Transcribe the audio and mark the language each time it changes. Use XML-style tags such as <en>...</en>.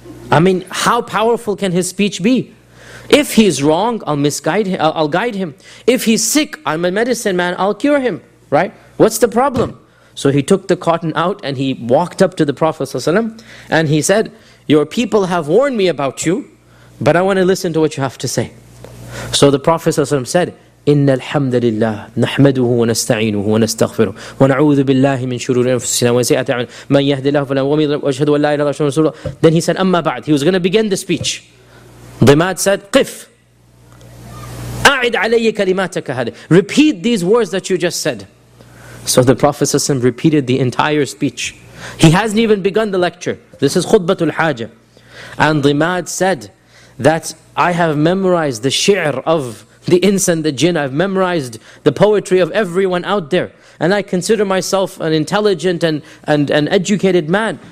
<en>I mean, how powerful can his speech be? If he's wrong, I'll misguide him, I'll guide him. If he's sick, I'm a medicine man, I'll cure him, right? What's the problem? So he took the cotton out and he walked up to the Prophet ﷺ and he said, your people have warned me about you, but I want to listen to what you have to say. So the Prophet ﷺ said,</en> <ar>إِنَّ الْحَمْدَ لِلَّهِ نَحْمَدُهُ وَنَسْتَعِينُهُ وَنَسْتَغْفِرُهُ وَنَعُوذُ بِاللَّهِ مِنْ شُرُورِ أَنفُسِنَا وَسَيِّئَاتِ أَعْمَالِنَا مَنْ يَهْدِ اللَّهُ فَلَا مُضِلَّ لَهُ وَأَشْهَدُ أَنْ لَا إِلَهَ إِلَّا اللَّهُ وَحْدَهُ لَا شَرِيكَ لَهُ.</ar> <en>Then he said,</en> <ar>أَمَّا بَعْدُ.</ar> <en>He was going to begin the speech. Dhimad said,</en> <ar>قِفْ أَعِدْ عَلَيَّ كَلِمَاتَكَ هَذِهِ.</ar> <en>Repeat these words that you just said. So the Prophet ﷺ repeated the entire speech. He hasn't even begun the lecture. This is Khutbatul Haja. And Dhimad said that I have memorized the shi'r of the ins and the jinn. I've memorized the poetry of everyone out there. And I consider myself an intelligent and educated man.</en>